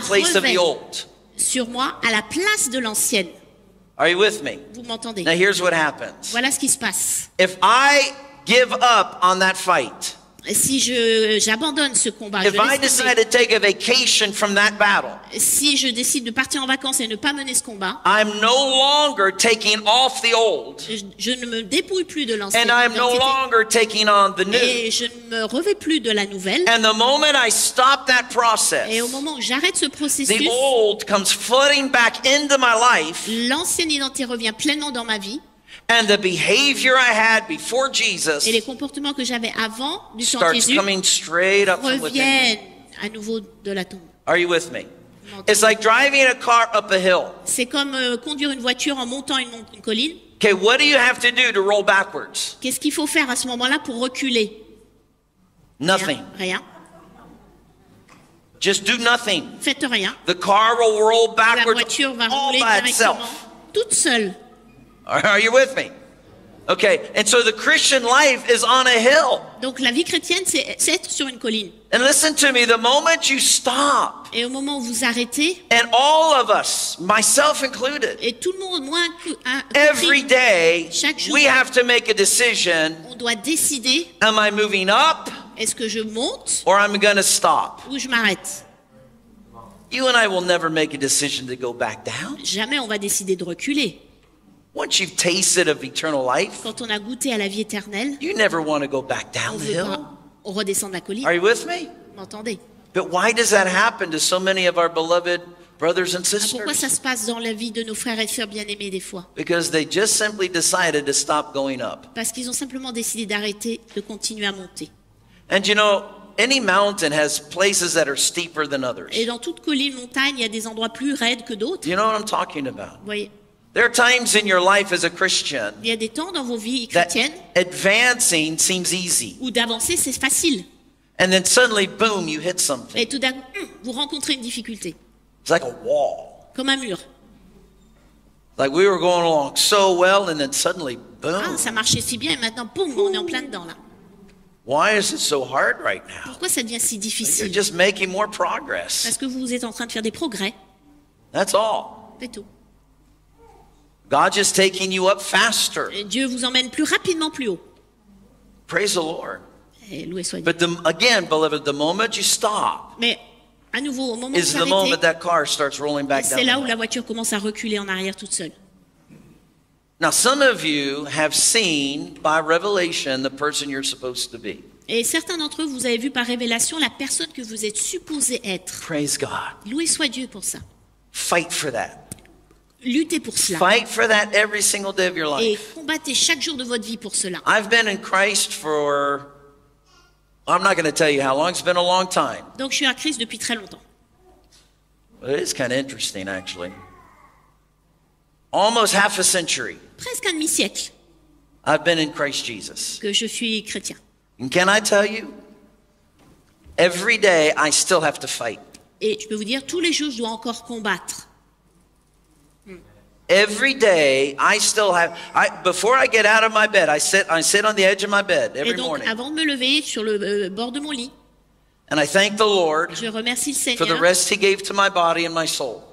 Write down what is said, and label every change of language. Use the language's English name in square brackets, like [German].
[English] the place of the old. [French] Sur moi, à la place de l'ancienne. [English] Are you with me? [French] Vous m'entendez? [English] Now here's what happens. [French] Voilà ce qui se passe. [English] If I give up on that fight, [French] si j'abandonne ce combat, [English] if I decide to take a vacation from that battle, [French] si je décide de partir en vacances et ne pas mener ce combat, [English] I'm no longer taking off the old, [French] je ne me dépouille plus de l'ancienne, [English] and I'm no longer taking on the new, [French] et je ne me revais plus de la nouvelle, [English] and the moment I stop that process, [French] et au moment où j'arrête ce processus, [English] the old comes flooding back into my life, [French] l'ancienne identité revient pleinement dans ma vie. [English] And the behavior I had before Jesus [French] et les comportements que j'avais avant du temps [English] starts [French] Jésus [English] coming straight up from within. [French] Reviennent à nouveau de la tombe. [English] Are you with me? It's like driving a car up a hill. [French] C'est comme conduire une voiture en montant une colline. [English] Okay, what do you have to do to roll backwards? [French] Qu'est-ce qu'il faut faire à ce moment-là pour reculer? [English] Nothing. [French] Rien. [English] Just do nothing. [French] Faites rien. [English] The car will roll backwards. [French] La voiture va rouler [English] by itself. [French] Toute seule. [English] Are you with me? Okay, and so the Christian life is on a hill. [French] Donc la vie chrétienne, c'est être sur une colline. [English] And listen to me, the moment you stop, [French] et au moment où vous arrêtez, [English] and all of us, myself included, [French] et tout le monde, moi, [English] every day, [French] chaque jour, [English] we have to make a decision, [French] on doit décider, [English] am I moving up, [French] est-ce que je monte, [English] or I'm going to stop, [French] ou je m'arrête. [English] You and I will never make a decision to go back down. [French] Jamais on va décider de reculer. [English] Once you've tasted of eternal life, [French] quand on a goûté à la vie éternelle, [English] you never want to go back down the hill. [French] On redescend la colline. [English] Are you with me? [French] M'entendez? [English] But why does that happen to so many of our beloved brothers and sisters? [French] Pourquoi ça se passe dans la vie de nos frères et sœurs bien-aimés des fois? [English] Because they just simply decided to stop going up. [French] Parce qu'ils ont simplement décidé d'arrêter de continuer à monter. [English] And you know, any mountain has places that are steeper than others. [French] Et dans toute colline, montagne, il y a des endroits plus raides que d'autres. [English] You know what I'm talking about? [French] Oui. [English] There are times in your life as a Christian [French] il y a des temps dans vos vies chrétiennes [English] that advancing seems easy. [French] Où d'avancer, c'est facile. [English] And then suddenly, boom, you hit something. [French] Et tout d'un coup, vous rencontrez une difficulté. [English] It's like a wall. [French] Comme un mur. [English] Like we were going along so well, and then suddenly, boom. [French] Ah, ça marchait si bien, et maintenant, boom, on est en plein dedans là. [English] Why is it so hard right now? [French] Pourquoi ça devient si difficile? [English] You're just making more progress. [French] Parce que vous êtes en train de faire des progrès. [English] That's all. [French] C'est tout. [English] God just taking you up faster. [French] Et Dieu vous emmène plus rapidement plus haut. [English] Praise the Lord. [French] Et loué soit Dieu. [English] But again, beloved, the moment you stop [French] mais à nouveau, au moment [English] is the moment that car starts rolling back [French] c'est [English] down. [French] C'est là où la voiture commence à reculer en arrière toute seule. [English] Now some of you have seen by revelation the person you're supposed to be. [French] Et certains d'entre vous, vous avez vu par révélation la personne que vous êtes supposé être. [English] Praise God. [French] Loué soit Dieu pour ça. [English] Fight for that. [French] Luttez pour cela. [English] Fight for that every single day of your life. [French] Et combattez chaque jour de votre vie pour cela. [English] I've been in Christ for, I'm not going to tell you how long, it's been a long time. [French] Donc je suis en Christ depuis très longtemps. [English] It is kind of interesting, actually. Almost half a century. [French] Presque un demi-siècle. [English] I've been in Christ Jesus. [French] Que je suis chrétien. [English] And can I tell you? Every day, I still have to fight. [French] Et je peux vous dire, tous les jours, je dois encore combattre. [English] Every day, I still have. I, before I get out of my bed, I sit on the edge of my bed every morning. [French] Et donc, avant de me lever, sur le bord de mon lit. [English] And I thank the Lord. [French] Je remercie le Seigneur. [English] For the rest He gave to my body and my soul.